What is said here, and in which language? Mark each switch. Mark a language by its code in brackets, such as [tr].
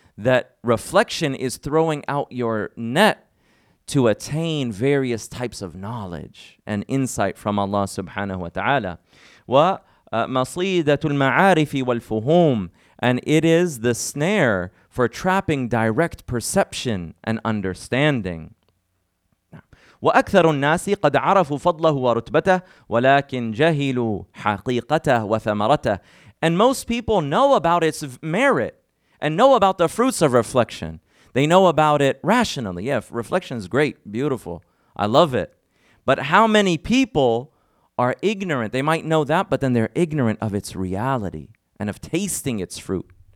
[en] That reflection is throwing out your net to attain various types of knowledge and insight from Allah subhanahu wa ta'ala. [ar] وَمَصِيدَةُ الْمَعَارِفِ وَالْفُهُومِ. [en] And it is the snare for trapping direct perception and understanding. [ar] وأكثر الناس قد عرفوا فضله ورتبته ولكن جهلوا حقيقته وثمرته. [en] And most people know about its merit and know about the fruits of reflection. They know about it rationally. Yeah, reflection is great, beautiful. I love it. But how many people are ignorant? They might know that, but then they're ignorant of its reality and of tasting its fruit.